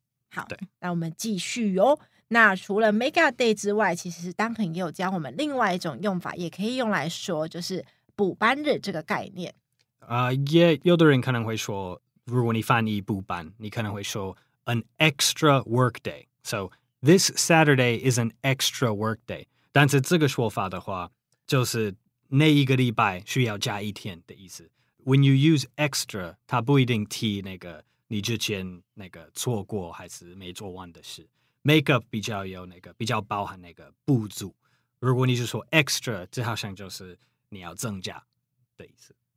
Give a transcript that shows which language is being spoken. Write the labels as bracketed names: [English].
[Chinese] 好，那我们继续哦。那除了 make up day 之外，其实Duncan也有教我们另外一种用法，也可以用来说就是补班日这个概念。有的人可能会说，如果你翻译补班，你可能会说 [English] an extra work day. So this Saturday is an extra work day. [Chinese] 但是这个说法的话，就是那一个礼拜需要加一天的意思。 [English] When you use extra, [Chinese] 它不一定提那个你之前那个错过还是没做完的事。 Make up 比较有那个，比较包含那个补足。如果你是说 extra, 这好像就是你要增加的意思。